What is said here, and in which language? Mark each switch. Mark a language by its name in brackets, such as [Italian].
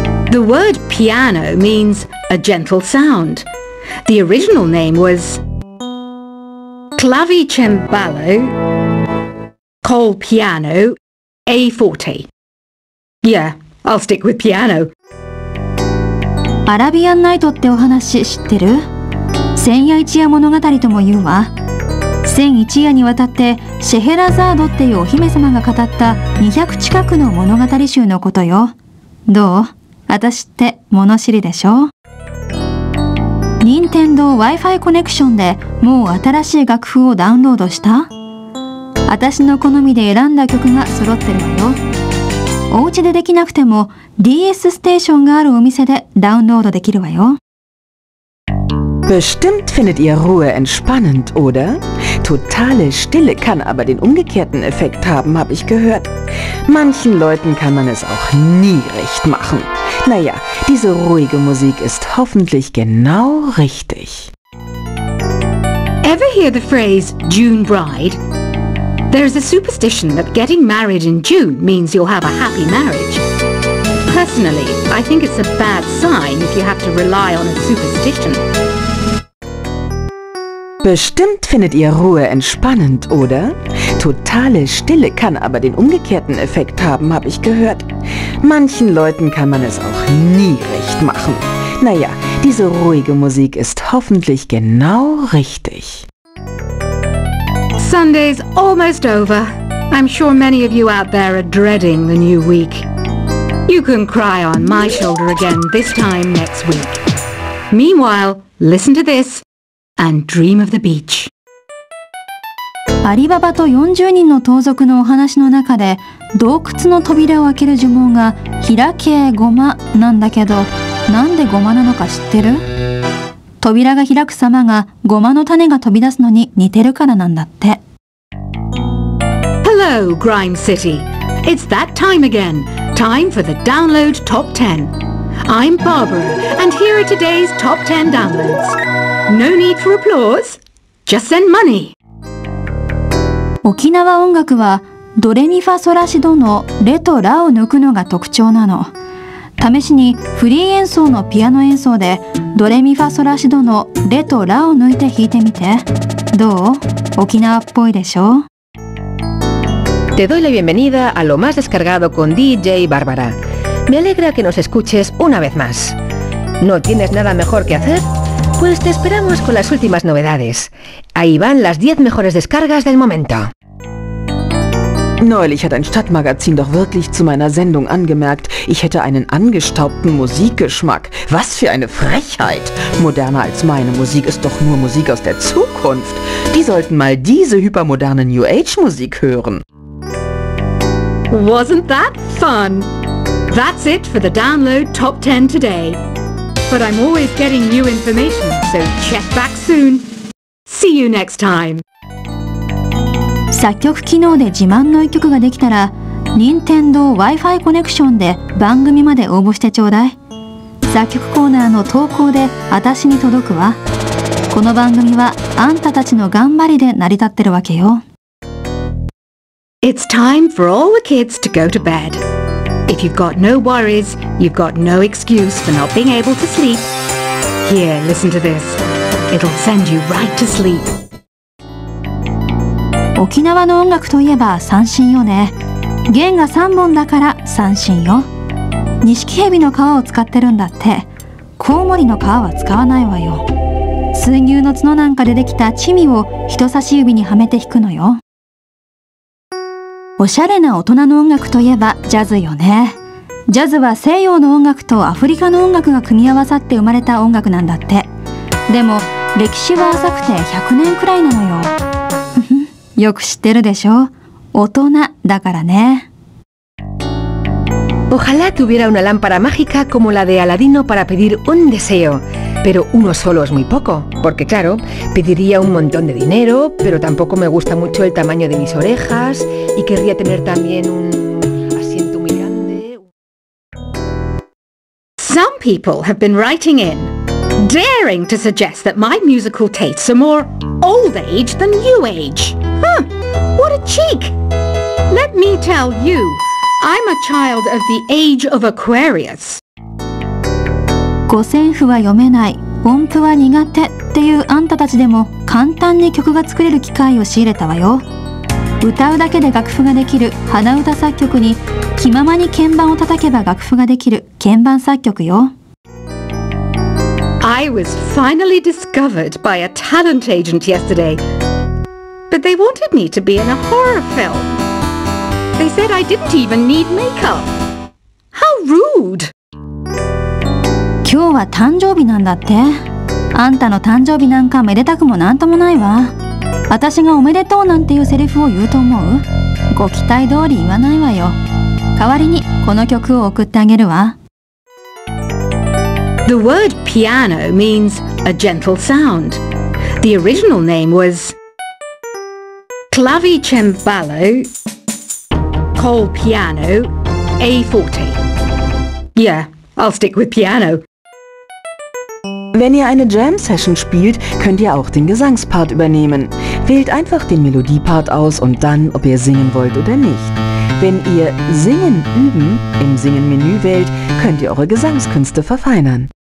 [English] The word piano means a gentle sound. The original name was [Italian] clavicembalo, col piano, a forte. [English] Yeah, I'll stick with piano. [Japanese] アラビアンナイトってお話知ってる？千夜一夜物語とも言うわ。千一夜にわたってシェヘラザードっていうお姫様が語った200近くの物語集のことよ。どう？私って物知りでしょ？任天堂 Wi-Fi コネクションでもう新しい楽譜をダウンロードした？私の好みで選んだ曲が揃ってるわよ。お家でできなくても DS ステーションがあるお店でダウンロードできるわよ。 [German] Bestimmt findet ihr Ruhe entspannend, oder? Totale Stille kann aber den umgekehrten Effekt haben, habe ich gehört. Manchen Leuten kann man es auch nie recht machen. Naja, diese ruhige Musik ist hoffentlich genau richtig. [English] Ever hear the phrase June Bride? There is a superstition that getting married in June means you'll have a happy marriage. Personally, I think it's a bad sign if you have to rely on a superstition. [German] Bestimmt findet ihr Ruhe entspannend, oder? Totale Stille kann aber den umgekehrten Effekt haben, habe ich gehört. Manchen Leuten kann man es auch nie recht machen. Naja, diese ruhige Musik ist hoffentlich genau richtig. [English] Sunday's almost over. I'm sure many of you out there are dreading the new week. You can cry on my shoulder again this time next week. Meanwhile, listen to this and dream of the beach. [Japanese] アリババと40人の盗賊のお話の中で、洞窟の扉を開ける呪文が開けゴマなんだけど、なんでゴマなのか知ってる？扉が開く様がゴマの種が飛び出すのに似てるからなんだって。 [English] Hello, Grime City. It's that time again. Time for the download top 10. I'm Barbara, and here are today's top 10 downloads. No need for applause. Just send money. [Japanese] 沖縄音楽はドレミファソラシドのレとラを抜くのが特徴なの。試しにフリー演奏のピアノ演奏でドレミファソラシドのレとラを抜いて弾いてみて。どう？沖縄っぽいでしょ？ [Spanish] Te doy la bienvenida a lo más descargado con DJ Bárbara. Me alegra que nos escuches una vez más. ¿No tienes nada mejor que hacer? Pues te esperamos con las últimas novedades. Ahí van las 10 mejores descargas del momento. [German] Neulich hat ein Stadtmagazin doch wirklich zu meiner Sendung angemerkt, ich hätte einen angestaubten Musikgeschmack. Was für eine Frechheit! Moderner als meine Musik ist doch nur Musik aus der Zukunft. Die sollten mal diese hypermoderne New Age Musik hören. [English] Wasn't that fun? That's it for the download top 10 today. But I'm always getting new information, so check back soon. See you next time. [Japanese] 作曲機能で自慢の一曲ができたら、任天堂 Wi-Fi コネクションで番組まで応募してちょうだい。作曲コーナーの投稿で私に届くわ。この番組はあんたたちの頑張りで成り立ってるわけよ。 [English] It's time for all the kids to go to bed. If you've got no worries, you've got no excuse for not being able to sleep. Here, listen to this. It'll send you right to sleep. [Japanese] 沖縄の音楽といえば三線よね。弦が3本だから三振よ。ニシキヘビの皮を使ってるんだって。コウモリの皮は使わないわよ。水牛の角なんかでできたチミを人差し指にはめて弾くのよ。おしゃれな大人の音楽といえばジャズよね。ジャズは西洋の音楽とアフリカの音楽が組み合わさって生まれた音楽なんだって。でも歴史は浅くて100年くらいなのよ。よく知ってるでしょ、大人だからね。 [Spanish] Ojalá tuviera una lámpara mágica como la de Aladino para pedir un deseo. Pero uno solo es muy poco, porque claro, pediría un montón de dinero, pero tampoco me gusta mucho el tamaño de mis orejas y querría tener también un asiento muy grande. [English] Some people have been writing in, daring to suggest that my musical tastes are more old age than new age. Huh, what a cheek! Let me tell you, I'm a child of the age of Aquarius. [Japanese] 五線譜は読めない、音符は苦手っていうあんたたちでも簡単に曲が作れる機会を仕入れたわよ。歌うだけで楽譜ができる鼻歌作曲に、気ままに鍵盤を叩けば楽譜ができる鍵盤作曲よ。 [English] I was finally discovered by a talent agent yesterday. But they wanted me to be in a horror film. They said I didn't even need makeup. How rude! [Japanese] 今日は誕生日なんだって。あんたの誕生日なんかめでたくもなんともないわ。私がおめでとうなんていうセリフを言うと思う？ご期待通り言わないわよ。代わりにこの曲を送ってあげるわ。 [English] The word piano means a gentle sound. The original name was clavicembalo. Call piano A forte. Yeah, I'll stick with piano. [German] Wenn ihr eine Jam Session spielt, könnt ihr auch den Gesangspart übernehmen. Wählt einfach den Melodiepart aus und dann, ob ihr singen wollt oder nicht. Wenn ihr Singen üben im Singen-Menü wählt, könnt ihr eure Gesangskünste verfeinern.